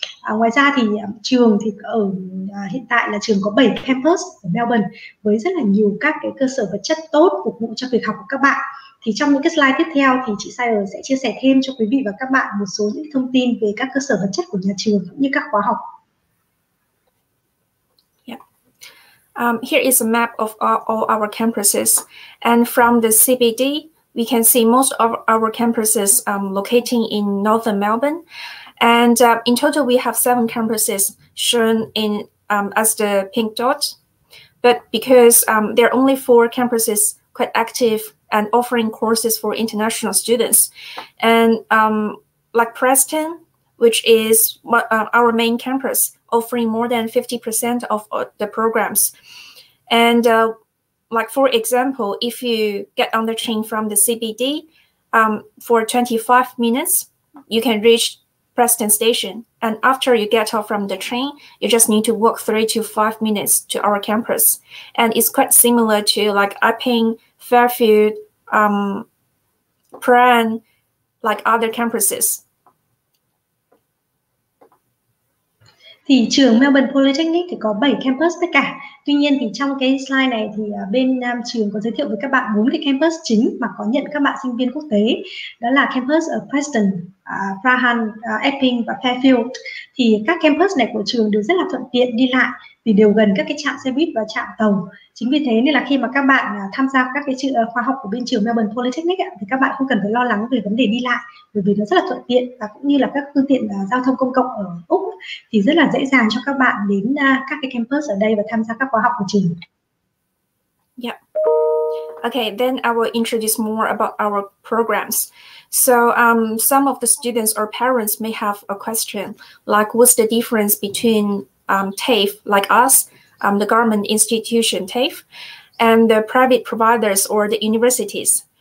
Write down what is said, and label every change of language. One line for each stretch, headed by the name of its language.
Vietnamese: Ngoài ra thì trường thì ở hiện tại là trường có 7 campus ở Melbourne với rất là nhiều các cái cơ sở vật chất tốt phục vụ cho việc học của các bạn. Thì trong những cái slide tiếp theo thì chị Sire sẽ chia sẻ thêm cho quý vị và các bạn một số những thông tin về các cơ sở vật chất của nhà trường cũng như các khóa học.
English: Yeah. Here is a map of all our campuses. And from the CBD, we can see most of our campuses locating in northern Melbourne. And in total, we have 7 campuses shown in as the pink dot. But because there are only 4 campuses quite active and offering courses for international students. And Preston, which is our main campus, offering more than 50% of the programs. And for example, if you get on the train from the CBD for 25 minutes, you can reach Preston Station, and after you get off from the train, you just need to walk 3 to 5 minutes to our campus. And it's quite similar to like Epping, Fairfield, Pran, like other campuses.
Vietnamese: Thì trường Melbourne Polytechnic thì có 7 campus tất cả. Tuy nhiên thì trong cái slide này thì bên trường có giới thiệu với các bạn 4 cái campus chính mà có nhận các bạn sinh viên quốc tế. Đó là campus ở Preston, Prahan, Epping và Fairfield. Thì các campus này của trường đều rất là thuận tiện đi lại vì đều gần các cái trạm xe buýt và trạm tàu. Chính vì thế nên là khi mà các bạn tham gia các cái khóa học của bên trường Melbourne Polytechnic thì các bạn không cần phải lo lắng về vấn đề đi lại bởi vì nó rất là thuận tiện và cũng như là các phương tiện giao thông công cộng ở Úc thì rất là dễ dàng cho các bạn đến các cái campus ở đây và tham gia các khóa học của trường.
English: Yeah. Okay, then I will introduce more about our programs. So some of the students or parents may have a question like what's the difference between TAFE like us, the government institution TAFE, and the private providers or the universities.